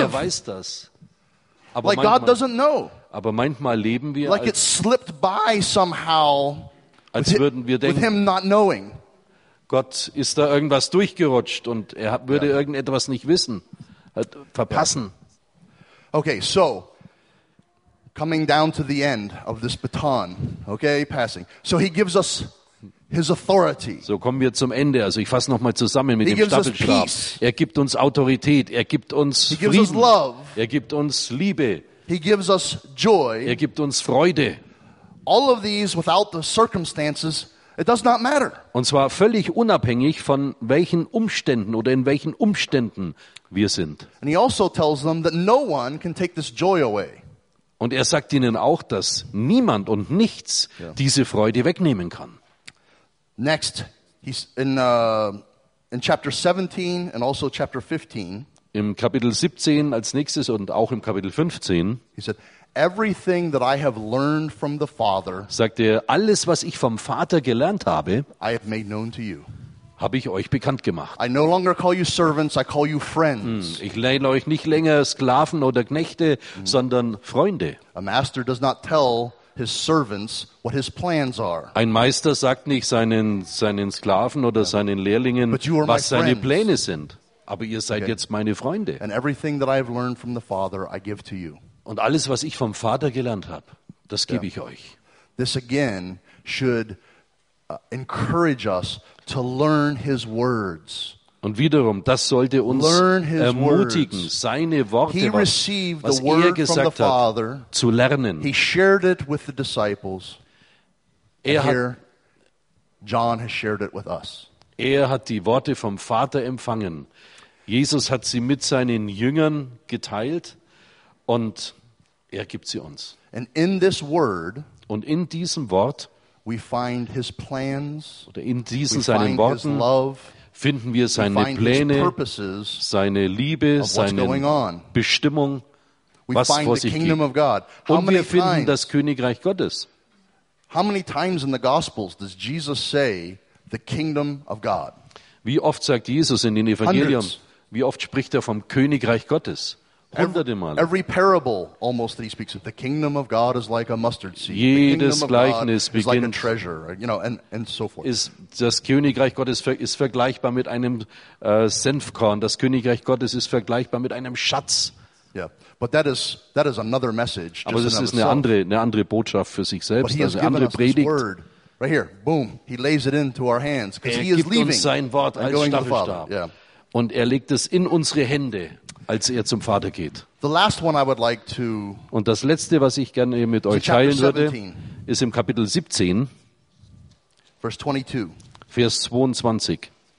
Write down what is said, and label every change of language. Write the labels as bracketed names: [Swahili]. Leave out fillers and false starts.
[German] Er weiß das. [English] Aber like God doesn't know. [German] Aber manchmal leben wir [English] like it slipped by somehow. [German] Als würden wir denken. [English] With him not knowing. [German] Gott ist da irgendwas durchgerutscht und er würde irgendetwas nicht wissen, verpassen. [English] Okay, so coming down to the end of this baton, okay, passing. So he gives us his authority. [German] So kommen wir zum Ende. Also ich fasse noch mal zusammen mit dem Staffelstab. Er gibt uns Autorität. Er gibt uns Frieden. [English] He gives us love. [German] Er gibt uns Liebe. [English] He gives us joy. [German] Er gibt uns Freude. [English] All of these without the circumstances. It does not matter. [German] Und zwar völlig unabhängig von welchen Umständen oder in welchen Umständen wir sind. [English] And he also tells them that no one can take this joy away. [German] Und er sagt ihnen auch, dass niemand und nichts diese Freude wegnehmen kann. [English] Next, he's in chapter 17 and also chapter 15. [German] Im Kapitel 17 als nächstes und auch im Kapitel 15. [English] He said, everything that I have learned from the Father, [German] sagt er, alles, was ich vom Vater gelernt habe, [English] I have made known to you. [German] Habe ich euch bekannt gemacht. [English] I no longer call you servants, I call you friends. [German] Ich nenne euch nicht länger Sklaven oder Knechte, sondern Freunde. [English] A master does not tell his servants what his plans are. [German] Ein Meister sagt nicht seinen Sklaven oder seinen Lehrlingen, was seine Pläne sind. Aber ihr seid jetzt meine Freunde. [English] And everything that I have learned from the Father, I give to you. [German] Und alles, was ich vom Vater gelernt habe, das gebe ich euch. [English] This again should encourage us to learn his words. [German] Und wiederum, das sollte uns ermutigen, seine Worte, [English] he received the word from the Father, [German] zu lernen. [English] He shared it with the disciples. John has shared it with us. [German] Er hat die Worte vom Vater empfangen. Jesus hat sie mit seinen Jüngern geteilt. Und er gibt sie uns. [English] And in this word, [German] und in diesem Wort, [English] we find his plans, [German] oder in diesen seinen Worten, [English] love, [German] finden wir seine Pläne, [English] purposes, [German] seine Liebe, seine Bestimmung, [English] we [German] was vor sich geht. Und wir finden das Königreich Gottes. [English] How many times in the Gospels does Jesus say the kingdom of God? [German] Wie oft sagt Jesus in den Evangelien, wie oft spricht er vom Königreich Gottes? [English] Every parable almost that he speaks of, the kingdom of God is like a mustard seed. [German] Jedes Gleichnis beginnt, [English] is like a treasure, you know, and so forth. [German] Ist das Königreich Gottes ist vergleichbar mit einem Senfkorn. Das Königreich Gottes ist vergleichbar mit einem Schatz. [English] Yeah. But that is another message. [German] Aber das ist eine andere Botschaft für sich selbst, also eine andere Predigt. [English] Right here, boom, he lays it into our hands because he is leaving. [German] Gibt uns sein Wort als Staffelstab. [English] Yeah. [German] Und legt es in unsere Hände, als zum Vater geht. [English] The last one I would like to. [German] Und das letzte, was ich gerne mit euch teilen würde, ist im Kapitel 17, [English] Verse 22. [German] Vers 22.